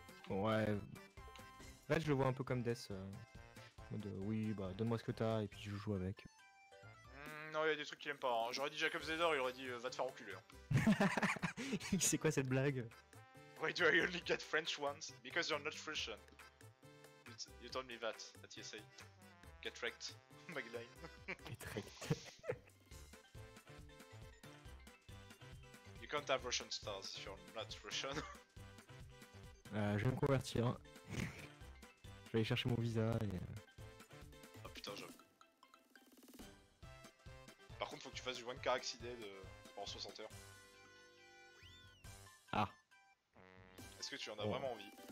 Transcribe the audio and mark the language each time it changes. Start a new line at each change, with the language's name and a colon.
French: Ouais, Red je le vois un peu comme Death, mode oui bah donne moi ce que t'as et puis je joue avec. Non il y a des trucs qu'il aime pas, hein. J'aurais dit Jacob Zedor, il aurait dit va te faire enculer. C'est quoi cette blague?
English: Why do I only get French ones? Because you're not Russian. You told me that at TSA. Get wrecked, Magline. Get wrecked. You can't have Russian stars if you're not Russian.
French: Je vais me convertir. Je vais aller chercher mon visa et. Ah oh, putain, j'avoue. Par contre, faut que tu fasses du 1 carax dead en 60 heures. Ah. Est-ce que tu en as vraiment envie?